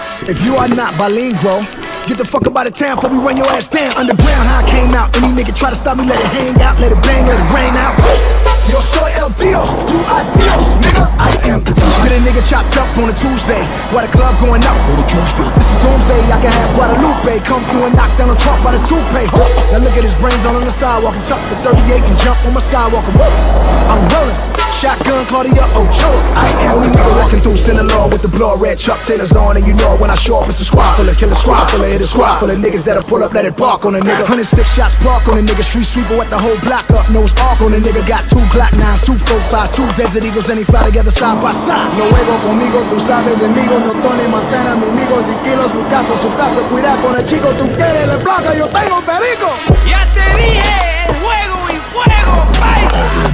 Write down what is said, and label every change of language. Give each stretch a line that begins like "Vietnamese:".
English: If you are not bilingual, get the fuck up out of town before we run your ass down. Underground, how I came out. Any nigga try to stop me, let it hang out, let it bang, let it rain out.
Spanish: Yo soy el Dios, tu adios, nigga.
English: I am the Dios. Get a nigga chopped up on a Tuesday, while the club going up. This is Doomsday, I can have Guadalupe come through and knock down a Trump by his toupee. Now look at his brains all on the sidewalk and tuck the 38 and jump on my Skywalker. I'm rolling. Shotgun, Claudia, Ochoa. I am the nigga walking through Sinaloa with the blood red Chuck Taylor's on. And you know when I show up, it's a squad full of killer squad, full of hit a squad, full of niggas that'll pull up, let it bark on a nigga. 106 shots bark on a nigga. Street sweeper with the whole block up, nose arc on a nigga. Got two Glock 9s, two 45s, two Desert Eagles, and he fly together side by side.
Spanish: No juego conmigo, tú sabes, amigo. No Tony Montana, mi amigos y kilos. Mi casa, su casa, cuidado con el chico. Tú quieres la placa, yo tengo perico. Ya te dije, el juego y fuego, paisa.